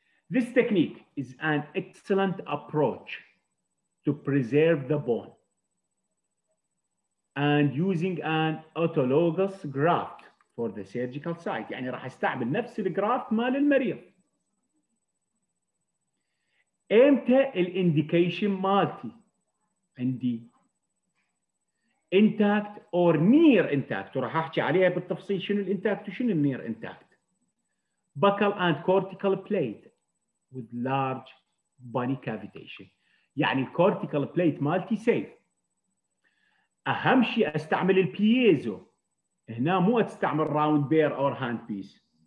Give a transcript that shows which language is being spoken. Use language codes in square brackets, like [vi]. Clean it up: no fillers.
[en] This technique is an excellent approach to preserve the bone and using an autologous graft for the surgical site. [ar] يعني راح استعمل نفس الجرافت مال المريض. امتى الانديكيشن مالتي؟ عندي [en] intact or near intact [ar] وراح احكي عليها بالتفصيل شنو الانتاكت وشنو النير انتاكت. [en] Buccal and cortical plate with large bony cavitation. [ar] يعني الكورتيكال بليت مالتي سيف. اهم شيء استعمل البييزو. هنا مو استعمل [en] Round bur or handpiece.